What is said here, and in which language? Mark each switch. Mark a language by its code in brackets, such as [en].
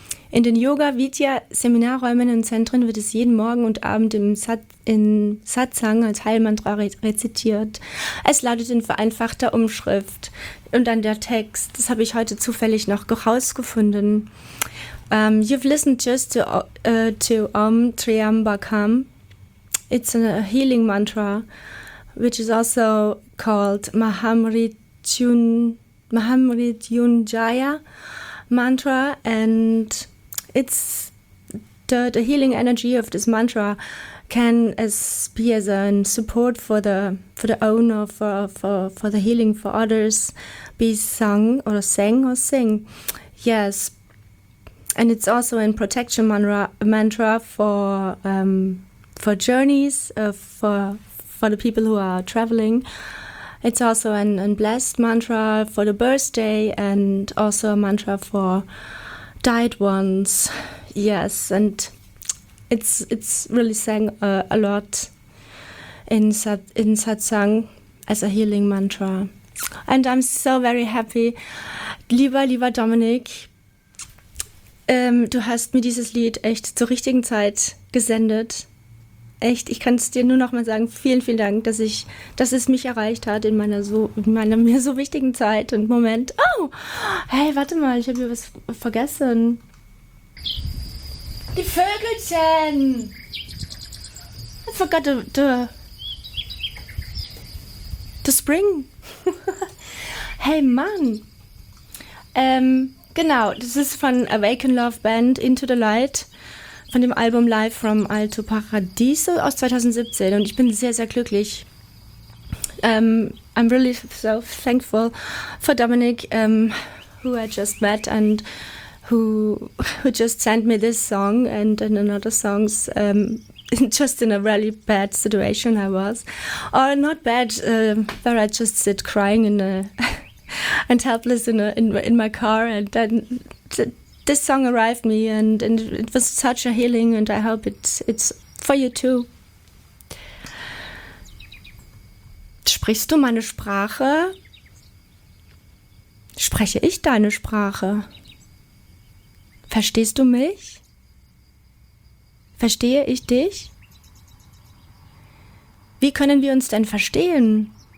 [de] In den Yoga Vidya Seminarräumen und Zentren wird es jeden Morgen und Abend in Satsang als Heilmantra rezitiert. Es lautet in vereinfachter Umschrift. Und dann der Text, das habe ich heute zufällig noch herausgefunden. [en] You've listened just to Om Triambakam. It's a healing mantra, which is also called Mahamrityunjaya mantra. And it's the healing energy of this mantra can be as a support for the owner, for the healing, for others, be sung or sang or sing. Yes. And it's also in protection mantra for journeys, for the people who are traveling. It's also an blessed mantra for the birthday and also a mantra for died ones. Yes. And it's really sang a lot in Satsang as a healing mantra. And I'm so very happy. [de] Lieber Dominik, du hast mir dieses Lied echt zur richtigen Zeit gesendet. Echt, ich kann es dir nur nochmal sagen, vielen, vielen Dank, dass es mich erreicht hat in meiner mir so wichtigen Zeit und Moment. Oh, hey, warte mal, ich habe hier was vergessen. Die Vögelchen! [en] I forgot the spring. [de] Hey Mann! Genau, das ist von Awaken Love Band Into the Light, von dem Album Live from Alto Paradiso aus 2017. Und ich bin sehr, sehr glücklich. [en] I'm really so thankful for Dominic, who I just met and who just sent me this song and then another songs. Just in a really bad situation I was, or not bad, where I just sit crying and helpless in my car, and then this song arrived me, and it was such a healing, and I hope it's for you too. [de] Sprichst du meine Sprache? Spreche ich deine Sprache? Verstehst du mich? Verstehe ich dich? Wie können wir uns denn verstehen?